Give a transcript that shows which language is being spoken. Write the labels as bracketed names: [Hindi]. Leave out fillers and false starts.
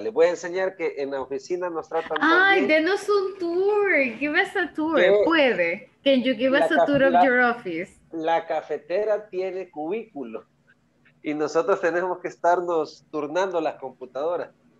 [Spanish] Le voy a enseñar que en la oficina nos tratan también. Ay, denos un tour. [English] Give us a tour. [Spanish] Puede. [English] Can you give us a tour of your office? [Spanish] La cafetera tiene cubículo. Y nosotros tenemos que estarnos turnando las computadoras.